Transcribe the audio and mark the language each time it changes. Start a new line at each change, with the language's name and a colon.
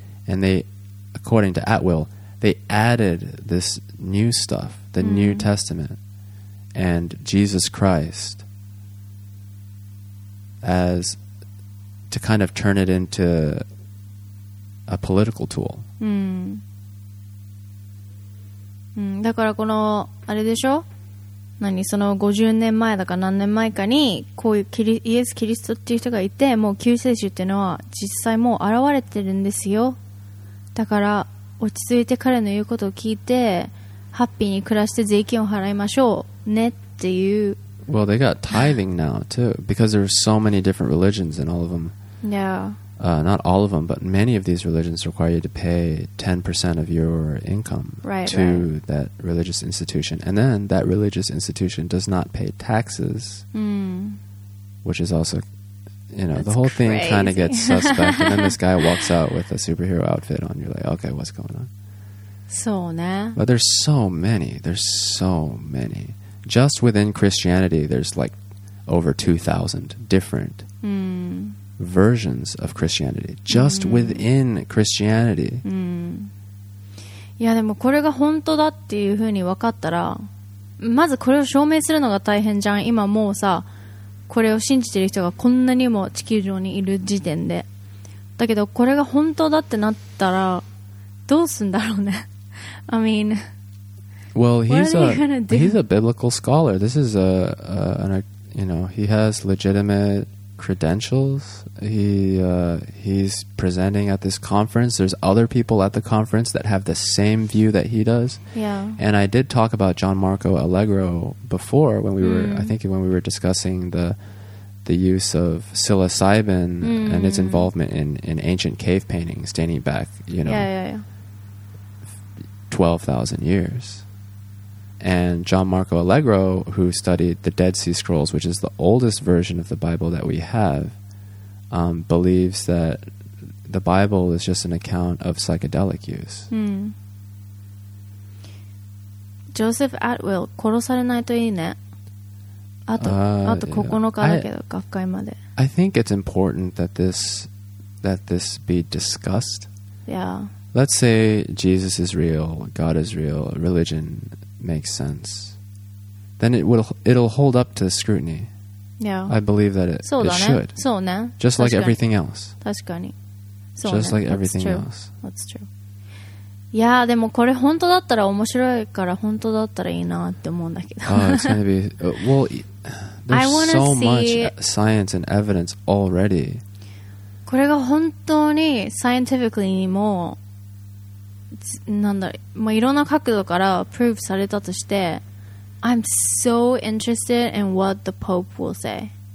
English: And they, according to Atwill, they added this new stuff, the New Testament, and Jesus Christ as to kind of turn it into a political tool.
Japanese: だからこのあれでしょ？何その50年前だか何年前かにこういうイエス・キリストっていう人がいて、もう救世主っていうのは実際もう現れてるんですよ。だから落ち着いて彼の言うことを聞いてハッピーに暮らして税金を払いましょうねっていう。
English: Well, they got tithing now too, because there are so many different religions and all of them. Yeah. Not all of them, but many of these religions require you to pay 10% of your income to that religious institution. And then that religious institution does not pay taxes, which is also, you know, the whole thing kind of gets suspect. And then this guy walks out with a superhero outfit on. You're like, okay, what's going on? So, nah. But there's so many. There's so many. Just within Christianity, there's like over 2,000 different versions of Christianity. Just within Christianity.
Japanese: いやでもこれが本当だっていうふうに分かったら、まずこれを証明するのが大変じゃん。今もうさ、これを信じてる人がこんなにも地球上にいる時点で。だけどこれが本当だってなったらどうすんだろうね。
English: I mean, well, he's a biblical scholar. This is a you know, he has legitimate credentials. He's presenting at this conference. There's other people at the conference that have the same view that he does. Yeah. And I did talk about Gianmarco Allegro before when we were, I think when we were discussing the use of psilocybin and its involvement in ancient cave paintings dating back, you know, 12,000 years. And Gianmarco Allegro, who studied the Dead Sea Scrolls, which is the oldest version of the Bible that we have, believes that the Bible is just an account of psychedelic use.
Japanese: Joseph Atwill, 殺されないといいね。あと9日だけど、学会まで。
English: I think it's important that this be discussed. Yeah. Let's say Jesus is real, God is real, religion makes sense. Then it'll hold up to scrutiny. Yeah. I believe that it should. So, ne. Just like everything else.
Japanese: 確かに。そうね。
English: Just like everything else. That's true.
Japanese: Yeah, でもこれ本当だったら面白いから本当だったらいいなって思うんだけど。
English: Oh, it's gonna be... Well, there's so much science and evidence already.
Japanese: これが本当に scientifically にもなんだ、まあ、いろんな角度からプーブされたとして
English: I'm so interested in what the Pope will say.